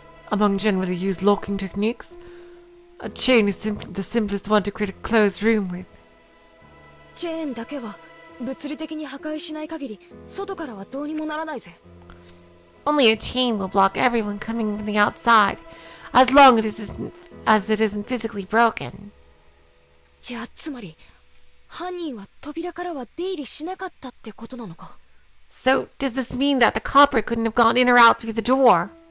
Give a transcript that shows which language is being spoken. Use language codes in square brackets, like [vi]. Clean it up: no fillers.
[en] Among generally used locking techniques, a chain is the simplest one to create a closed room with. [ja] チェーンだけは物理的に破壊しない限り、外からはどうにもならないぜ。 [en] Only a chain will block everyone coming from the outside, as long as it isn't physically broken. [ja] じゃあつまり、 犯人は扉からは出入りしなかったってことなのか? [en] So, does this mean that the culprit couldn't have gone in or out through the door?